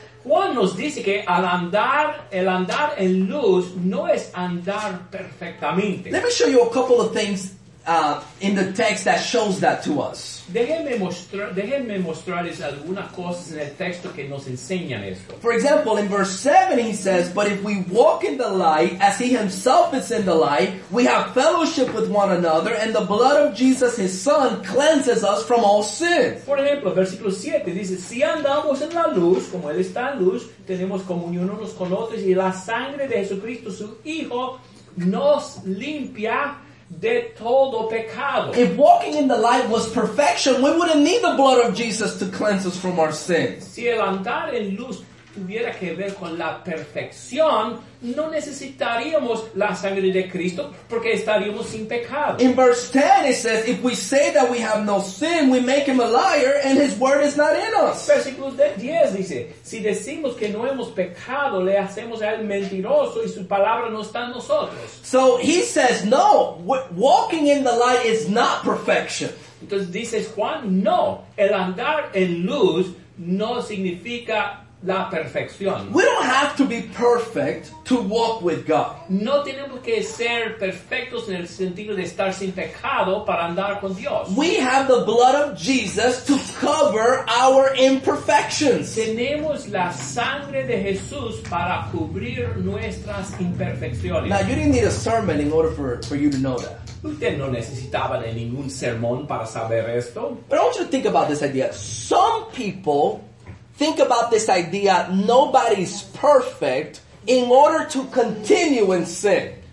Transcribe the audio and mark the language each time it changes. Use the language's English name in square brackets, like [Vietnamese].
[Spanish] Juan nos dice que el andar en luz no es andar perfectamente. [English] Let me show you a couple of things in the text that shows that to us. [Spanish] Déjenme mostrarles algunas cosas en el texto que nos enseñan esto. [English] For example, in verse 7 he says, but if we walk in the light, as he himself is in the light, we have fellowship with one another, and the blood of Jesus, his son, cleanses us from all sin. [Spanish] Por ejemplo, versículo 7 dice, si andamos en la luz, como él está en luz, tenemos comunión unos con otros, y la sangre de Jesucristo, su hijo, nos limpia de todo pecado. [English] If walking in the light was perfection, we wouldn't need the blood of Jesus to cleanse us from our sins. [Spanish] Si el andar en luz tuviera que ver con la perfección, no necesitaríamos la sangre de Cristo porque estaríamos sin pecado. [English] In verse 10 it says, if we say that we have no sin, we make him a liar and his word is not in us. [Spanish] Versículo 10 dice, si decimos que no hemos pecado, le hacemos a él mentiroso y su palabra no está en nosotros. [English] So he says, no, walking in the light is not perfection. [Spanish] Entonces dice Juan, no, el andar en luz no significa la perfección. [English] We don't have to be perfect to walk with God. [Spanish] No tenemos que ser perfectos en el sentido de estar sin pecado para andar con Dios. [English] We have the blood of Jesus to cover our imperfections. [Spanish] Tenemos la sangre de Jesús para cubrir nuestras imperfecciones. [English] Now, you didn't need a sermon in order for you to know that. [Spanish] Usted no necesitaba de ningún sermón para saber esto. [English] But I want you to think about this idea. Some people think about this idea, nobody's perfect, in order to continue in sin.